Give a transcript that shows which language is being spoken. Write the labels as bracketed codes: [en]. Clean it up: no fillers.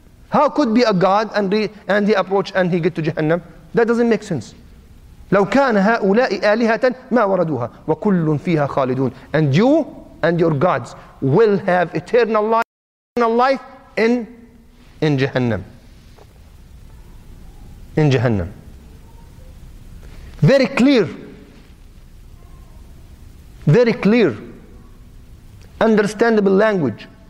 [en] How could be a god and he approach and he get to Jahannam? That doesn't make sense. [ar] لو كان هؤلاء آلهة ما وردوها وكل فيها خالدون. [en] And you and your gods will have eternal life in Jahannam. In Jahannam. Very clear. Very clear. Understandable language.